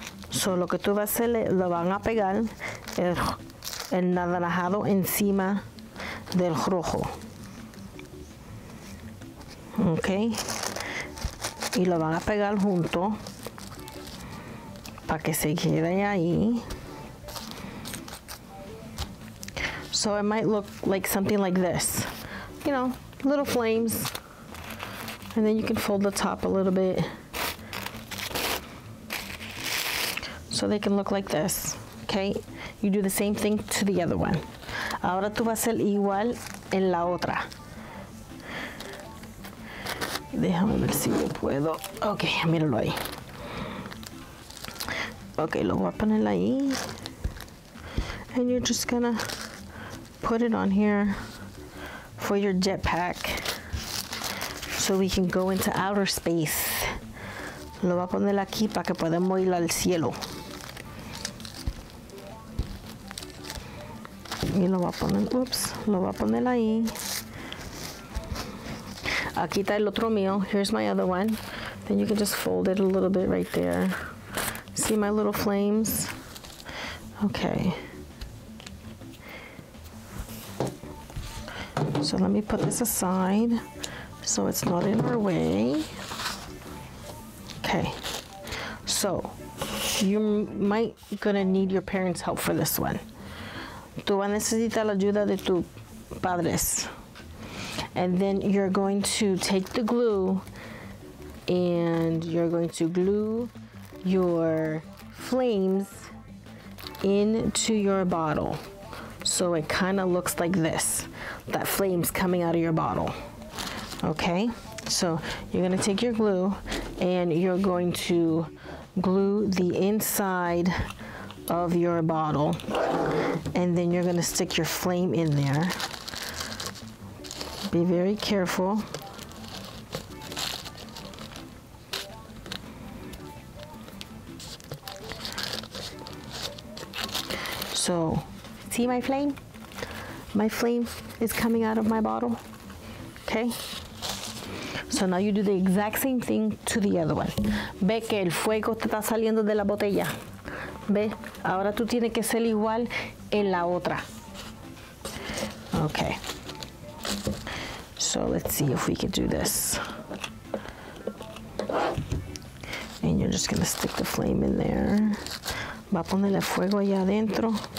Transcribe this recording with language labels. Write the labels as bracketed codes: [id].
[es] So lo que tú vas a hacer, lo van a pegar el naranjado encima del rojo. Okay. Y lo van a pegar junto para que se quede ahí. [en] So it might look like something like this. You know, little flames. And then you can fold the top a little bit so they can look like this, okay? You do the same thing to the other one. [es] Ahora tú vas a hacer igual en la otra. Déjame ver si yo puedo. Okay, míralo ahí. Okay, lo voy a poner ahí. [en] And you're just gonna put it on here for your jetpack. So we can go into outer space. [es] Lo va a poner aquí para que podamos ir al cielo. Y lo va a poner, oops, lo va a poner ahí. Aquí está el otro mío. Here's my other one. [en] Then you can just fold it a little bit right there. See my little flames? Okay. So let me put this aside. So it's not in our way. Okay. So you might gonna need your parents' help for this one. Tú vas a necesitar la ayuda de tus padres. And then you're going to take the glue and you're going to glue your flames into your bottle. So it kind of looks like this, that flames coming out of your bottle. Okay, so you're going to take your glue and you're going to glue the inside of your bottle, and then you're gonna stick your flame in there. Be very careful. So, see my flame? My flame is coming out of my bottle, okay? So now you do the exact same thing to the other one. [es] Ve que el fuego te está saliendo de la botella. Ve, ahora tú tienes que ser igual en la otra. [en] Okay. So let's see if we can do this. And you're just gonna stick the flame in there. Va a poner el fuego allá adentro.